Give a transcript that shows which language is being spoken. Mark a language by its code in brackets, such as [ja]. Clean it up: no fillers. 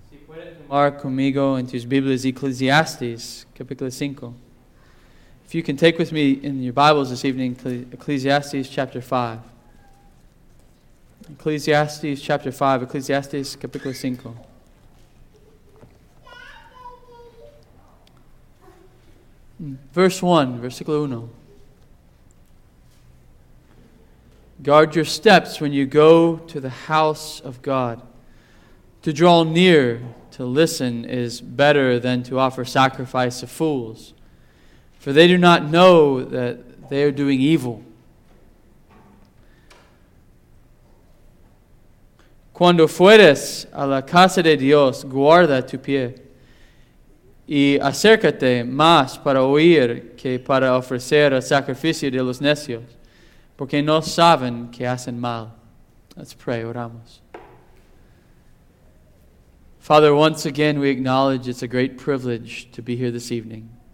[es] pueden tomar conmigo en tus Biblias Ecclesiastes, capítulo 5. [en] If you can take with me in your Bibles this evening, Ecclesiastes chapter 5. Ecclesiastes chapter 5, Ecclesiastes capítulo 5. Verse 1. Guard your steps when you go to the house of God. To draw near to listen is better than to offer sacrifice to fools. For they do not know that they are doing evil. [es] Cuando fueres a la casa de Dios, guarda tu pie. Y acércate más para oír que para ofrecer el sacrificio de los necios. Porque no saben que hacen mal. [en] Let's pray, [es] oramos. [en] Father, once again we acknowledge it's a great privilege to be here this evening.